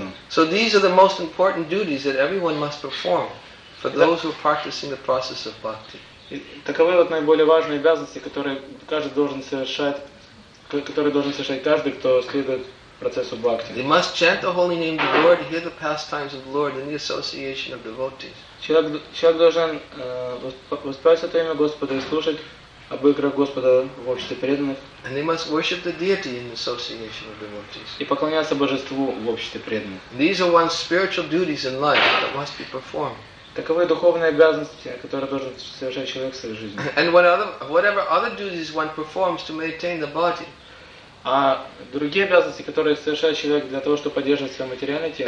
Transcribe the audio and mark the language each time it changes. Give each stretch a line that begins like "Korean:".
English: So these are the most important duties that everyone must perform for those who are practicing the process of bhakti.
Russian: Таковы вот наиболее важные обязанности, которые должен совершать каждый, кто следует процессу бхакти.
English: They must chant the holy name of the Lord, hear the pastimes of the Lord in the association of devotees.
Russian: Человек должен воспевать святое имя Господа и слушать об играх Господа в обществе преданных.
English: And they must worship the deity in association with devotees.
Russian: И поклоняться божеству в обществе преданных.
English: These are one's spiritual duties in life that must be performed.
Russian: Таковы духовные обязанности, которые должен совершать человек в своей жизни.
English: And whatever other duties one performs to maintain the body.
Russian: А другие обязанности, которые совершает человек для того, чтобы поддерживать свое материальное тело.